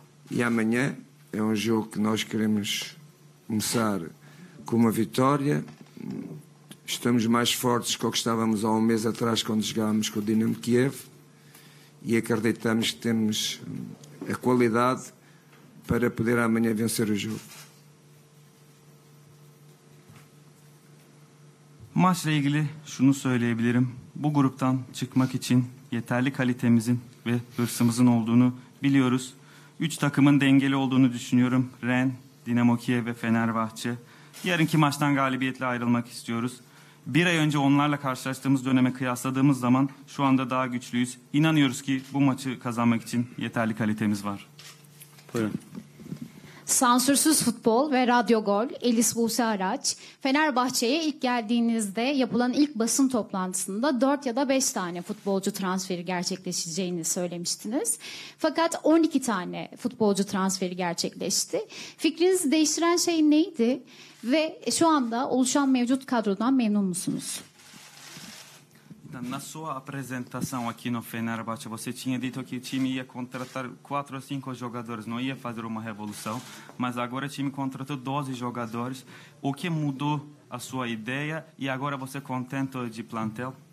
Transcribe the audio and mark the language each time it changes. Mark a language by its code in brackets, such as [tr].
[pt] E amanhã é um jogo que nós queremos começar com uma vitória. Estamos mais fortes do que estávamos há um mês atrás quando jogávamos com o Dinamo Kiev e acreditamos que temos a qualidade para poder amanhã vencer o jogo. [tr] Maçla ilgili şunu söyleyebilirim. Bu gruptan çıkmak için yeterli kalitemizin ve hırsımızın olduğunu biliyoruz. 3 takımın dengeli olduğunu düşünüyorum. Rennes, Dinamo Kiev ve Fenerbahçe. Yarınki maçtan galibiyetle ayrılmak istiyoruz. Bir ay önce onlarla karşılaştığımız döneme kıyasladığımız zaman şu anda daha güçlüyüz. İnanıyoruz ki bu maçı kazanmak için yeterli kalitemiz var. Buyurun. Sansürsüz Futbol ve Radyo Gol, Elis Buse Araç. Fenerbahçe'ye ilk geldiğinizde yapılan ilk basın toplantısında 4 ya da 5 tane futbolcu transferi gerçekleşeceğini söylemiştiniz. Fakat 12 tane futbolcu transferi gerçekleşti. Fikrinizi değiştiren şey neydi? Ve şu anda oluşan mevcut kadrodan memnun musunuz? [pt] Na sua apresentação aqui no Fenerbahçe, você tinha dito que o time ia contratar 4 ou 5 jogadores, não ia fazer uma revolução, mas agora o time contratou 12 jogadores. O que mudou a sua ideia e agora você é contente de plantel?